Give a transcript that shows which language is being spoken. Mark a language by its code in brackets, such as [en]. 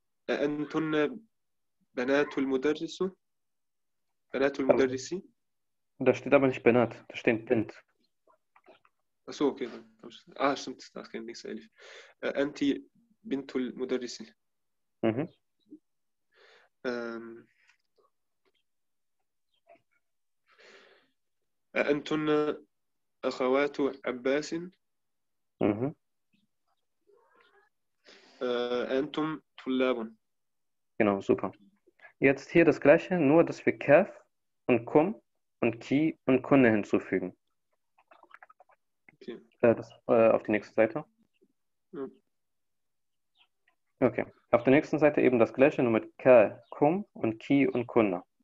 [ar] أنتن بنات المدرس؟ بنات المدرس؟ [de] Da steht aber nicht Benat, da steht Bent. Achso, okay. Ah, stimmt, da kann ich nichts ehrlich. [ar] أنت بنت المدرس. أنتن أخوات عباس؟ أنتم طلاب؟ [de] Genau, super. Jetzt hier das Gleiche, nur dass wir Kaf und Kum und Ki und Kunne hinzufügen. Okay. Auf die nächste Seite. Ja. Okay. Auf der nächsten Seite eben das Gleiche, nur mit Ka, Kum und Ki und Kunne.